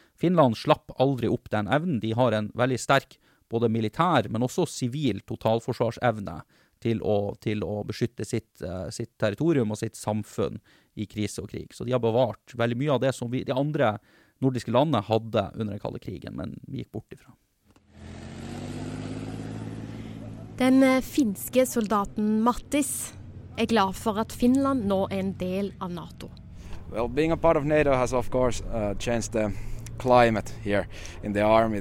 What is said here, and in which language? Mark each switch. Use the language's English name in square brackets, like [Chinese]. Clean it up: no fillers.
[Norwegian] Finland slapp aldri opp den evnen. De har en veldig sterk både militær, men også sivil totalforsvarsevne til å beskytte sitt territorium og sitt samfunn i krise og krig. Så de har bevart veldig mye av det som vi, de andre nordiske landene hadde under den kalde krigen, men vi gikk bort ifra. [Swedish] Den finske soldaten Mattis är glad för att Finland nå är en del av NATO. [English] Well, being a part of NATO has of course changed the climate here in the army.